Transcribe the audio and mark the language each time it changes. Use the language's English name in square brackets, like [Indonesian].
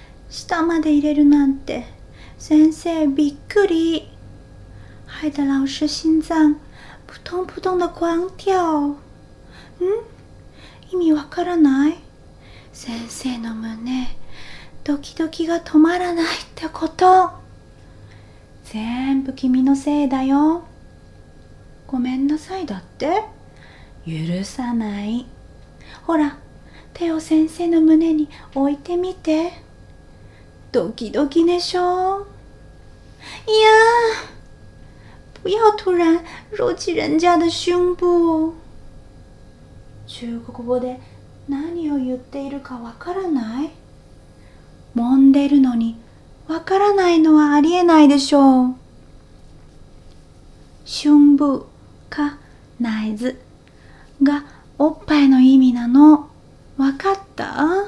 [Japanese] 下まで入れるなんて、先生びっくり。 [Chinese] 害得老师心脏扑通扑通的狂跳。 [Japanese] 意味わからない。先生の胸、ドキドキが止まらないってこと。全部君のせいだよ。ごめんなさいだって。許さない。ほら、手を先生の胸に置いてみて。ドキドキでしょ。 [Chinese] いやー、不要突然入侵人家的胸部。 [Japanese] 中国語で何を言っているかわからない。揉んでるのにわからないのはありえないでしょう。胸部か内耳がおっぱいの意味なの。わかった？